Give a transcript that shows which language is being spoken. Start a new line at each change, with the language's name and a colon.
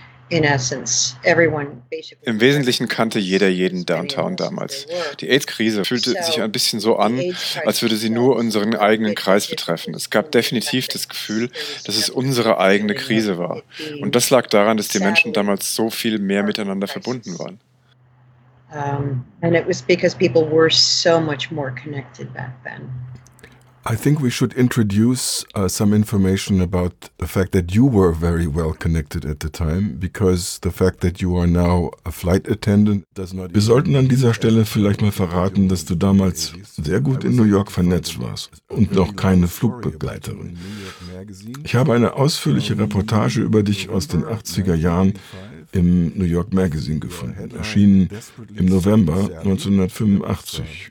English: In essence, everyone basically.
German: Im Wesentlichen kannte jeder jeden Downtown damals. Die AIDS-Krise fühlte sich ein bisschen so an, als würde sie nur unseren eigenen Kreis betreffen. Es gab definitiv das Gefühl, dass es unsere eigene Krise war. Und das lag daran, dass die Menschen damals so viel mehr miteinander verbunden waren.
English: And it was because people were so much more connected back then. I think we should introduce some information about the fact that you were very well connected at the time, because the fact that you are now a flight attendant does not.
German: Wir sollten an dieser Stelle vielleicht mal verraten, dass du damals sehr gut in New York vernetzt warst und noch keine Flugbegleiterin. Ich habe eine ausführliche Reportage über dich aus den 80er Jahren im New York Magazine gefunden, erschienen im November 1985.